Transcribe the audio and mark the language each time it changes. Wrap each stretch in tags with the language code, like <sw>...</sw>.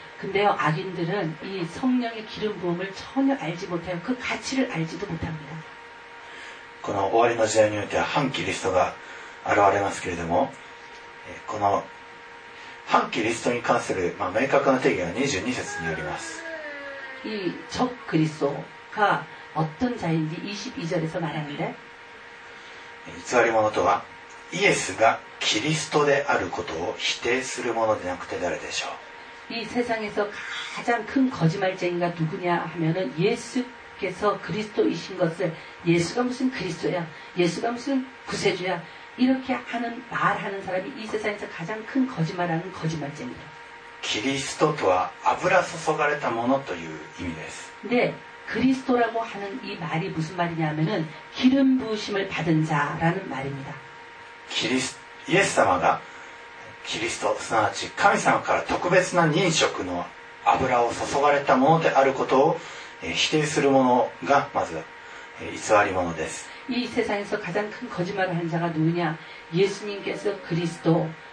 <ko>근데요악인들은이성령의기름부음을전혀알지못해요그가치를알지도못합니다</ko> <ja>この終わりの時代においては反キリストが現れますけれどもこの反キリストに関する、まあ、明確な定義は22節にあります。</ja> <ko>이적그리스도가어떤자인지22절에서말하는데</ko> <ja>偽り者とはイエスがキリストであることを否定する者でなくて誰でしょう。</ja> <ko>이세상에서가장큰거짓말쟁이가누구냐하면은예수께서그리스도이신것을예수가무슨그리스도야예수가무슨구세주야이렇게하는말하는사람이이세상에서가장큰거짓말하는거짓말쟁이다</ko> <ja>キリストとは油注がれたものという意味です。</ja> <ko>네그리스도라고하는이말이무슨말이냐면은기름부심을받은자라는말입니다</ko> <ja>キリス예수様がキリストすなわち神様から特別な任職の油を注がれたものであることを否定するものがまず偽り者です。</ja> <ko>이세상에서가장큰거짓말을한자가누구냐예수님께서그리스도</ko>